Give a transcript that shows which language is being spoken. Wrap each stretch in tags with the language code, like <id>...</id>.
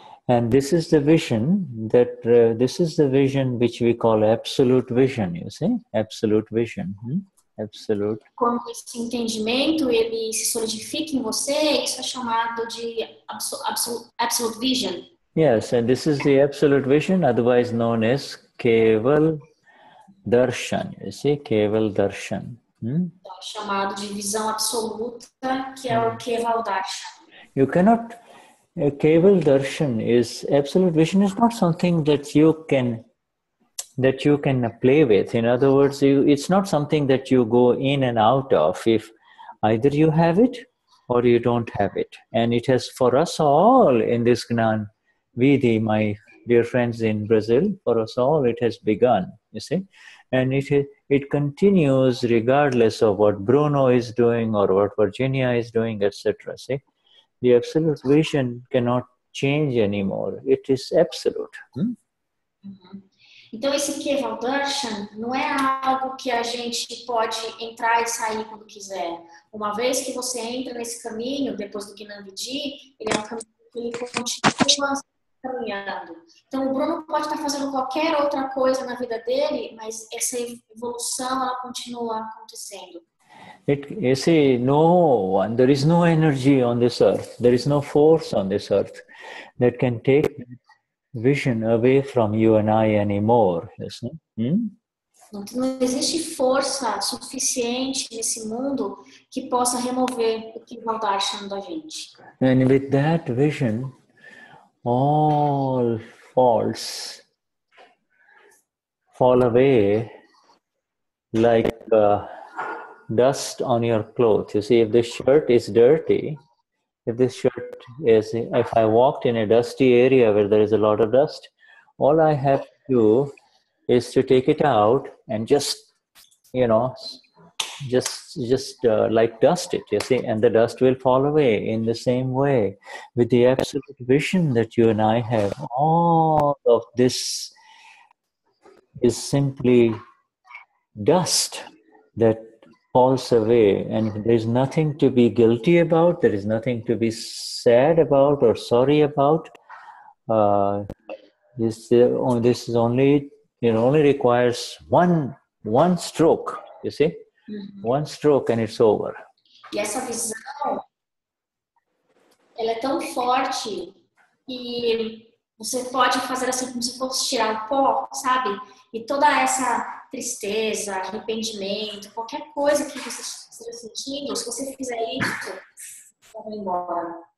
<en>And this is the vision that this is the vision which we call absolute vision. You see, absolute vision, absolute.</en> <pt>Quando esse entendimento ele se solidifica em você, isso é chamado de</pt> <en>absolute vision. Yes, and this is the absolute vision, otherwise known as Keval Darshan. You see, Keval Darshan.</en> <pt>Chamado de visão absoluta, que é o Keval Darshan.</pt> <en>You cannot. A Keval Darshan is absolute vision is not something that you can play with. In other words, it's not something that you go in and out of. If either you have it or you don't have it, and it has for us all in this Gnan Vidhi, my dear friends in Brazil, for us all it has begun, you see, and it continues regardless of what Bruno is doing or what Virginia is doing, etc. See, the absolute vision cannot change anymore. It is absolute.</en> <pt>Então, esse Keval Darshan não é algo que a gente pode entrar e sair quando quiser. Uma vez que você entra nesse caminho, depois do Gnan Vidhi, ele é um caminho que ele continua caminhando. Então, o Bruno pode estar fazendo qualquer outra coisa na vida dele, mas essa evolução, ela continua acontecendo.</pt> <en>There is no energy on this earth. There is no force on this earth that can take vision away from you and I anymore, isn't it?</en> <pt>Não existe força suficiente nesse mundo que possa remover o que está achando da gente.</pt> <en>And with that vision, all faults fall away like dust on your clothes. You see, if this shirt is dirty, if I walked in a dusty area where there is a lot of dust, all I have to do is to take it out and like dust it, you see, and the dust will fall away in the same way. With the absolute vision that you and I have, all of this is simply dust that falls away, and there is nothing to be guilty about, there is nothing to be sad about or sorry about. This is only, it only requires one stroke, you see? Uh-huh. One stroke and it's over.</en> <pt>E essa visão, ela é tão forte, e você pode fazer assim como se fosse tirar o pó, sabe? E toda essa tristeza, arrependimento, qualquer coisa que você esteja sentindo, se você fizer isso, vai embora.</pt>